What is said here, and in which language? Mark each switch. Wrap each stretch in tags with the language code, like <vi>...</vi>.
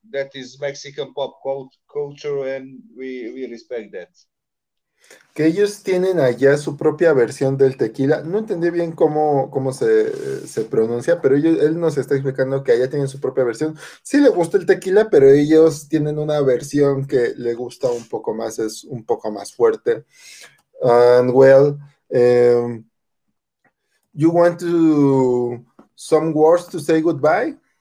<en>That is Mexican pop culture, and we respect that.</en> <es>Que ellos tienen allá su propia versión del tequila. No entendí bien cómo se pronuncia, pero él nos está explicando que allá tienen su propia versión. Sí le gusta el tequila, pero ellos tienen una versión que le gusta un poco más, es un poco más fuerte.</es> <en>And well, you want to some words to say goodbye?</en>